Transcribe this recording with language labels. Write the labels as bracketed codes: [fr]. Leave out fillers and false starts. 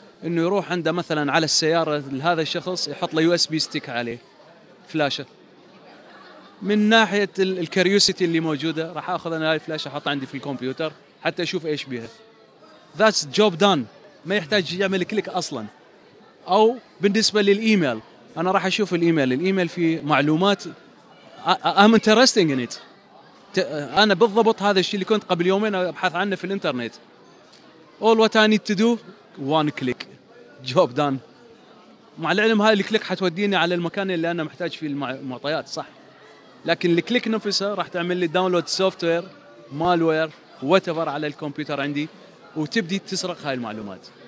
[ar] انه يروح عنده مثلا على السياره لهذا الشخص يحط له USB ستيك عليه فلاشه. من ناحيه الكريوسيتي اللي موجوده راح اخذ انا هاي الفلاشه احطها عندي في الكمبيوتر حتى اشوف ايش بيها. [en] That's job done. [ar] ما يحتاج يعمل كليك اصلا. او بالنسبه للايميل انا راح اشوف الايميل. الايميل فيه معلومات [en] I'm interested in it. [ar] انا بالضبط هذا الشيء اللي كنت قبل يومين ابحث عنه في الانترنت. [en] All what I need to do one click job done. [ar] مع العلم هاي الكليك حتوديني على المكان اللي انا محتاج فيه المعطيات صح، لكن الكليك نفسه راح تعمل لي داونلود سوفت وير مالوير واتفر على الكمبيوتر عندي وتبدي تسرق هاي المعلومات.